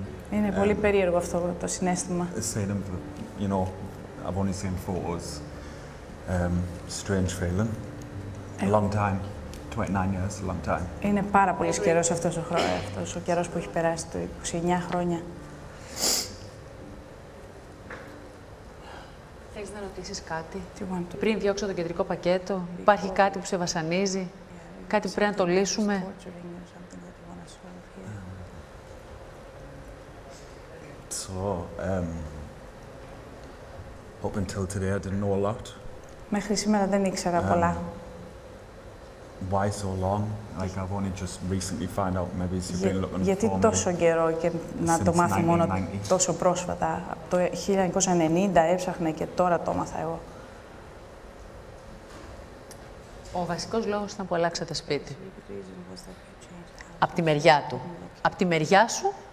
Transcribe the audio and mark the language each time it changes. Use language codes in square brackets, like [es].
[el] Είναι πολύ περίεργο αυτό το συνέστημα. [en] You know, I've only seen photos. Strange feeling. A long time. 29 years, a long time. [el] Είναι πάρα πολύ καιρός αυτός ο χρόνος, αυτός ο καιρός που έχει περάσει, το 29 χρόνια. Θέλεις να ρωτήσεις κάτι? Πριν διώξω το κεντρικό πακέτο, υπάρχει κάτι που σε βασανίζει? Κάτι που πρέπει να το λύσουμε? [en] Up until today, I didn't know a lot. [el] Μέχρι σήμερα δεν ήξερα πολλά. [en] Why so long? Like I've only just recently found out. Maybe you've been looking for me. [el] Γιατί τόσο καιρό και να το μάθω μόνο τόσο πρόσφατα? Από το 1990 έψαχνε και τώρα το μάθα εγώ. Ο βασικός λόγος ήταν που αλλάξατε σπίτι. Από τη μεριά του. Από τη μεριά σου.